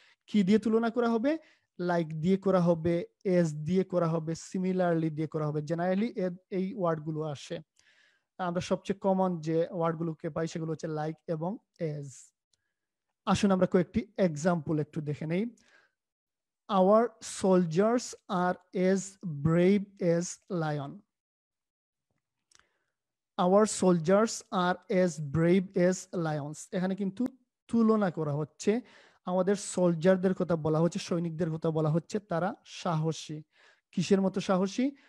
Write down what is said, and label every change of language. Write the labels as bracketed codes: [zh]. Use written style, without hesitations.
[bn] কি দিয়ে তুলনা করা হবে? লাইক দিয়ে করা হবে, এজ দিয়ে করা হবে, সিমিলারলি দিয়ে করা হবে, জেনারেলি এই ওয়ার্ডগুলো আসে। আমরা সবচেয়ে কমন যে ওয়ার্ডগুলোকে পাই সেগুলো হচ্ছে লাইক এবং এজ। আসুন আমরা কয়েকটি এক্সাম্পল একটু দেখে নেই। [en] Our soldiers are as brave as lion. Our soldiers are as brave as lions. [bn] এখানে কিন্তু তুলনা করা হচ্ছে, আমাদের সোলজারদের কথা বলা হচ্ছে, সৈনিকদের কথা বলা হচ্ছে, তারা সাহসী। কিসের মতো সাহসী?